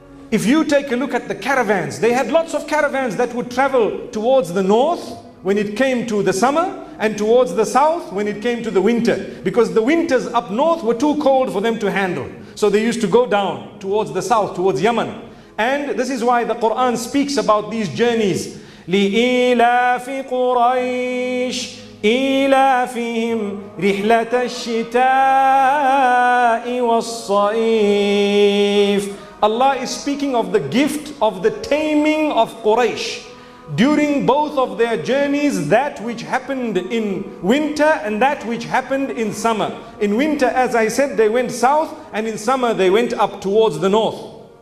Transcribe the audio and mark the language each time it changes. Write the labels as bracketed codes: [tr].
[en] If you take a look at the caravans, they had lots of caravans that would travel towards the north when it came to the summer and towards the south when it came to the winter, because the winters up north were too cold for them to handle. So they used to go down towards the south, towards Yemen. And this is why the Quran speaks about these journeys. [ar] لإلاف قريش إلافهم رحلة الشتاء والصيف. [en] Allah is speaking of the gift of the taming of Quraysh during both of their journeys, that which happened in winter and that which happened in summer. In winter, as I said, they went south, and in summer they went up towards the north.